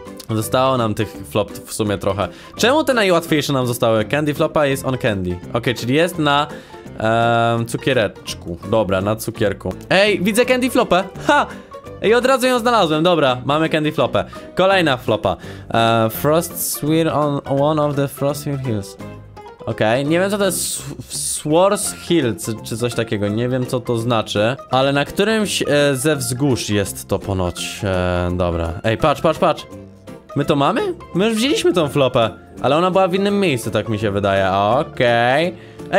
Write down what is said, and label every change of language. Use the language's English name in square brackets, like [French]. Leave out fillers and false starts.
[Polish] Zostało nam tych flop w sumie trochę. Czemu te najłatwiejsze nam zostały? Candy flopa jest [English] on candy. [Polish] Okej, czyli jest na cukiereczku. Dobra, na cukierku. Ej, widzę candy flopę, ha! I od razu ją znalazłem, dobra, mamy candy flopę. Kolejna flopa. [English] Frost sweet on one of the frost hills. [Polish] Okej, okay. Nie wiem co to jest Swords Hills, czy coś takiego, nie wiem co to znaczy. Ale na którymś ze wzgórz jest to ponoć. Dobra, ej, patrz. My to mamy? My już wzięliśmy tą flopę. Ale ona była w innym miejscu, tak mi się wydaje. Okej, okay.